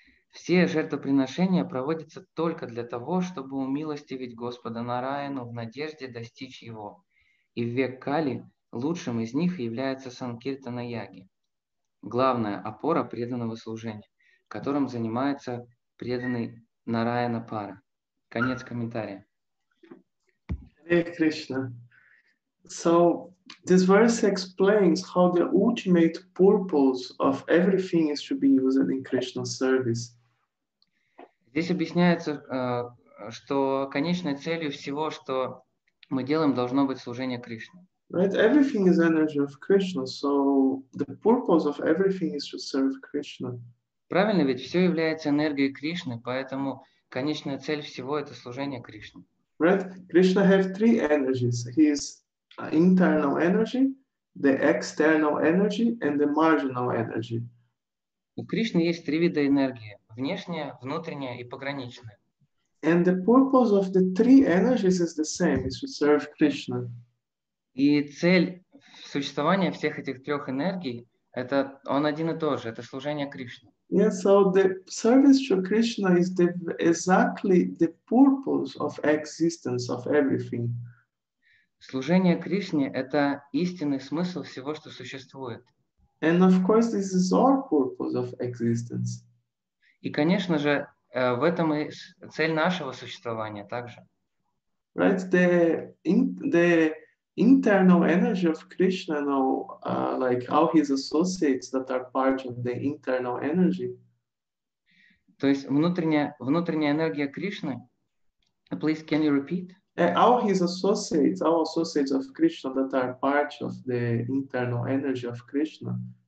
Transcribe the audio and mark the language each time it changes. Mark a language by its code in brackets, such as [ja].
[ru] Все жертвоприношения проводятся только для того, чтобы умилостивить Господа Нараяну в надежде достичь Его. И в век Кали лучшим из них является Санкиртана Яги, главная опора преданного служения, которым занимается преданный Нараяна Пара. Конец комментария. [en] Hey, Krishna. So this verse explains how the ultimate purpose of everything is to be used in Krishna's service. [ru] Здесь объясняется, что конечной целью всего, что мы делаем, должно быть служение Кришне. [en] Right, everything is energy of Krishna, so the purpose of everything is to serve Krishna. [ru] Правильно, ведь все является энергией Кришны, поэтому конечная цель всего – это служение Кришне. [en] Right, Krishna have three energies. His internal energy, the external energy, and the marginal energy. [ru] У Кришны есть три вида энергии – внешняя, внутренняя и пограничная. [en] And the purpose of the three energies is the same, is to serve Krishna. [ru] И цель существования всех этих трех энергий – это он один и тот же, это служение Кришне. [en] Yeah, so the service to Krishna is the exactly the purpose of existence of everything. [ru] Служение Кришне – это истинный смысл всего, что существует. [en] And of course, this is our purpose of existence. [ru] И, конечно же, в этом и цель нашего существования также. [en] Right, the internal energy of Krishna, you know, like all his associates that are part of the internal energy. [ru] То есть внутренняя энергия Кришны. [en] Please, can you repeat? All his associates, all associates of Krishna that are part of the internal energy of Krishna.